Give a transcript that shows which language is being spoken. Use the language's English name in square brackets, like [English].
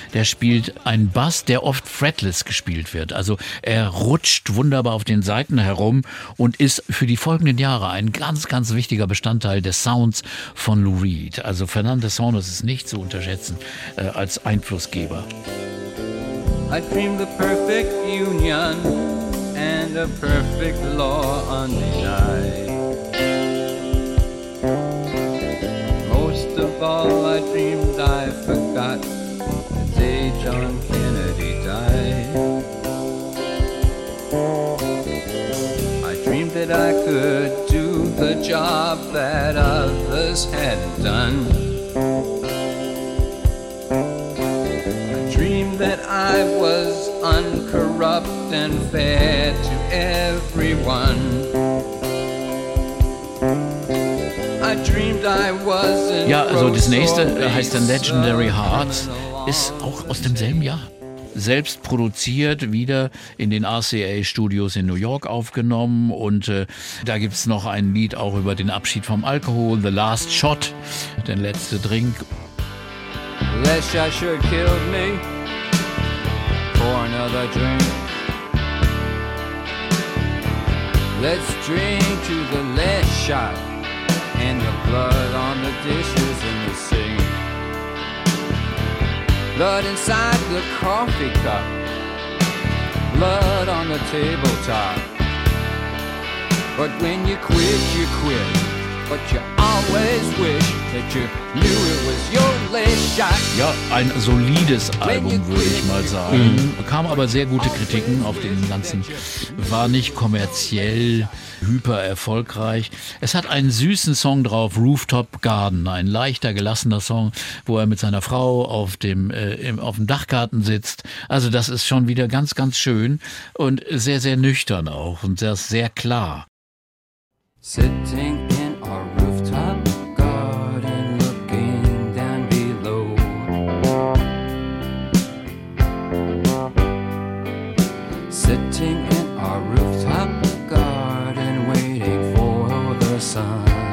[German] Der spielt einen Bass, der oft fretless gespielt wird. Also er rutscht wunderbar auf den Saiten herum und ist für die folgenden Jahre ein ganz, ganz wichtiger Bestandteil des Sounds von Lou Reed. Also Fernando Saunders ist nicht zu unterschätzen als Einflussgeber. [English] I dream the perfect union and a perfect law undenied. Most of all I dreamed I forgot the day John Kennedy died. I dreamed that I could do the job that others hadn't done. I was uncorrupt and fair to everyone. I dreamed I was in. [German] Ja, also das nächste heißt dann Legendary Hearts, ist auch aus demselben Jahr. Selbst produziert, wieder in den RCA Studios in New York aufgenommen. Und da gibt es noch ein Lied auch über den Abschied vom Alkohol, The Last Shot, der letzte Drink. [English] Last shot sure killed me. Another drink. Let's drink to the last shot and the blood on the dishes in the sink. Blood inside the coffee cup. Blood on the tabletop. But when you quit, you quit. But you always wish that you knew it was your last shot. [German] Ja, ein solides Album, würde ich mal sagen. Mhm. Bekam aber sehr gute Kritiken auf den ganzen, war nicht kommerziell hyper erfolgreich. Es hat einen süßen Song drauf, Rooftop Garden, ein leichter, gelassener Song, wo er mit seiner Frau auf dem Dachgarten sitzt. Also das ist schon wieder ganz, ganz schön und sehr, sehr nüchtern auch und sehr, sehr klar. [English] Sitting in our rooftop garden, looking down below. Sitting in our rooftop garden, waiting for the sun.